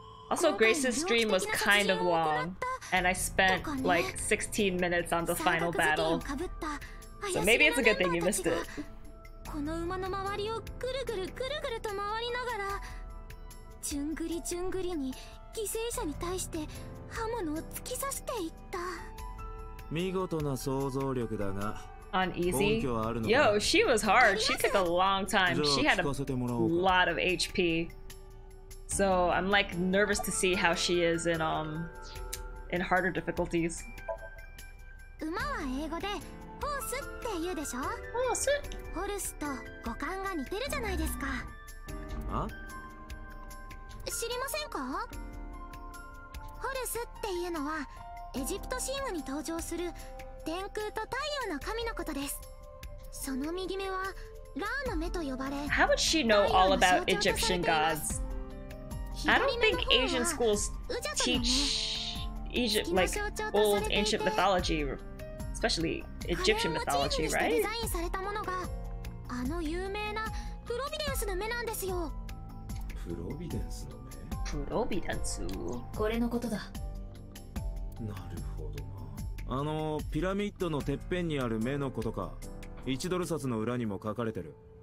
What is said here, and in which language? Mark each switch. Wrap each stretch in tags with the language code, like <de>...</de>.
<en>Also, Grace's stream was kind of long, and I spent like 16 minutes on the final battle. So maybe it's a good thing you missed it.</en> <ja>刃物を突き刺していった見事な想像力だが根拠はあるのか</ja> <en>Yo, she was hard. She took a long time. She had a lot of HP. So I'm like nervous to see how she is in harder difficulties.</en> <ja>馬は英語でホースって言うでしょホース? ホルスと五感が似てるじゃないですか知りませんかホルスっていうのはエジプト神話に登場する天空と太陽の神のことです。その右目はラーの目と呼ばれ、</ja> <en>How would she know all about Egyptian gods? I don't think Asian schools teach Egypt like old ancient mythology, especially Egyptian mythology, right?</en> <ja>デザインされたものがあの有名なプロビデンスの目なんですよ。プロビデンスの。プロビデンス。これのことだ。なるほどな。あのピラミッドのてっぺんにある目のことか。1ドル札の裏にも書かれてる。</ja>